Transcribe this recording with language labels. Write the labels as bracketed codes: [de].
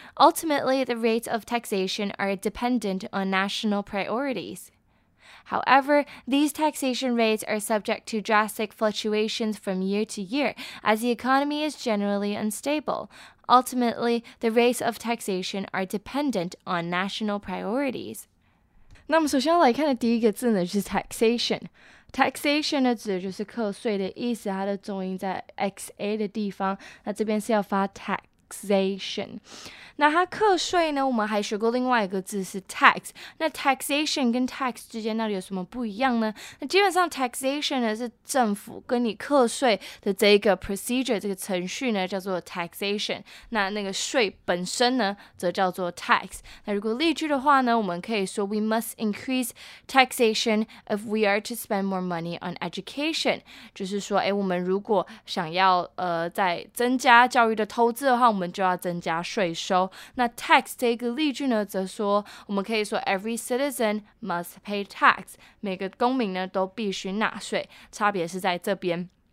[en] Ultimately, the rates of taxation are dependent on national priorities. However, these taxation rates are subject to drastic fluctuations from year to year, as the economy is generally unstable. Ultimately, the rates of taxation are dependent on national priorities. [zh] 那么首先要来看的第一个字呢，就是 taxation。Taxation 呢，指的就是课税的意思，它的重音在 xa 的地方，那这边是要发 tax。 Taxation， 那它课税呢？我们还学过另外一个字是 tax。那 taxation 跟 tax 之间到底有什么不一样呢？那基本上 taxation 呢是政府跟你课税的这个 procedure 这个程序呢叫做 taxation。那那个税本身呢则叫做 tax。那如果例句的话呢，我们可以说 [en] We must increase taxation if we are to spend more money on education。 [zh] 就是说，我们如果想要在增加教育的投资的话，我们就要增加税收。那 tax 这个例句呢，则说我们可以说 [en] every citizen must pay tax， [zh] 每个公民呢都必须纳税，差别是在这边。